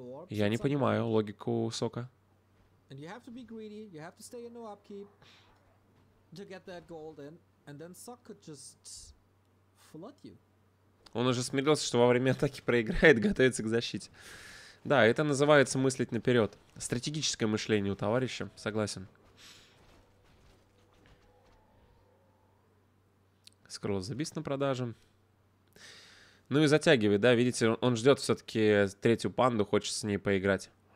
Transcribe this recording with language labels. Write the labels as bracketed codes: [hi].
[ru] Я не понимаю логику Сока. [en] And you have to be greedy, you have to stay in the upkeep to get that gold in, and then Sok could just flood you. [ru] Он уже смирился, что во время атаки проиграет, готовится к защите. Да, это называется мыслить наперед. Стратегическое мышление у товарища, согласен. Скролл забит на продаже. Ну и затягивает, да, видите, он ждет все-таки третью панду, хочет с ней поиграть.